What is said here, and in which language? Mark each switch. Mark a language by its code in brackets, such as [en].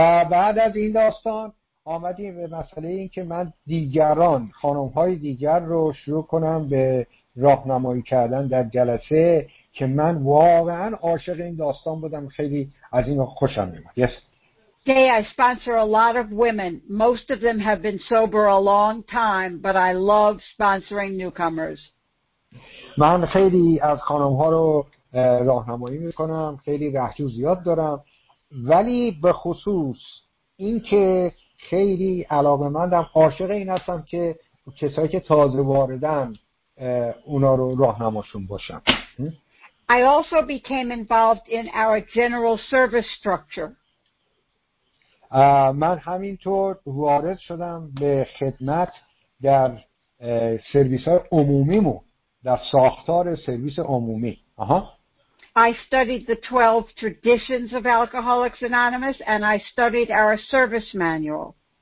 [fa] بعد از این داستان آمدیم به مسئله این که من دیگران، خانم‌های دیگر رو شروع کنم به راهنمایی کردن در جلسه که من واقعا عاشق این داستان بودم خیلی از این خوشم میومد. [en] Yes. Today I sponsor a lot of women. Most of them have been sober a long time, but I love sponsoring newcomers. [fa] من خیلی از خانم ها رو راهنمایی می کنم، خیلی رهجو زیاد دارم، ولی به خصوص اینکه خیلی علاقمندم، عاشق این هستم که کسایی که تازه واردن اونا رو راهنماشون باشم. [en] I also became involved in our general service structure. [fa] من همینطور وارد شدم به خدمت در سرویس‌های عمومی‌مون، در ساختار سرویس عمومی. [en] I studied the 12 traditions of Alcoholics Anonymous and I studied our service manual.